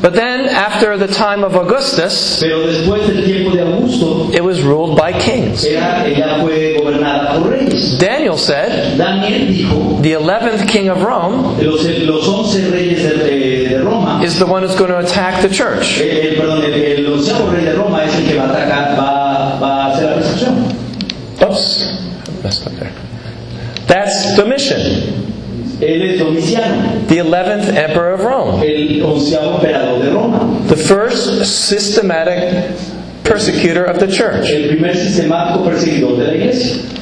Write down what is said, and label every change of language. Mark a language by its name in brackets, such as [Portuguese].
[English] But then, after the time of Augustus, [Spanish] pero después del tiempo de Augusto, [English] it was ruled by kings. [Spanish] Ella fue gobernada por reyes. [English] Daniel said, [Spanish] Daniel dijo, [English] the 11th king of Rome, [Spanish] los 11 reyes de Roma, [English] is the one who's going to attack the church. [Spanish] El onceavo rey de Roma es el que va a atacar, va a hacer la persecución. [English] Oops, I messed up there. That's Domitian. [Spanish] Él es Domiciano. [English] The 11th emperor of Rome. [Spanish] El onceavo emperador de Roma. [English] The first systematic persecutor of the church. [Spanish] El primer sistemático perseguidor de la iglesia.